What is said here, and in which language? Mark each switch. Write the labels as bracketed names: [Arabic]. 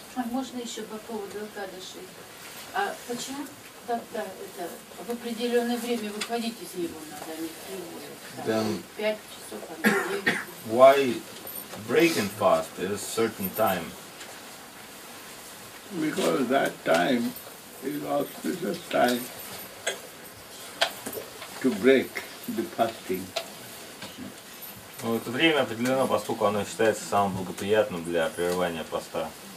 [Russian] Можно еще по поводу Экадаши? А почему тогда это в определенное время выходить из него надо, а не в три года? Пять часов, а не девять. [English] Why break and fast at a certain time? Because that time is auspicious time to break the fasting. [Russian] Ну, это время определено, поскольку оно считается самым благоприятным для прерывания поста.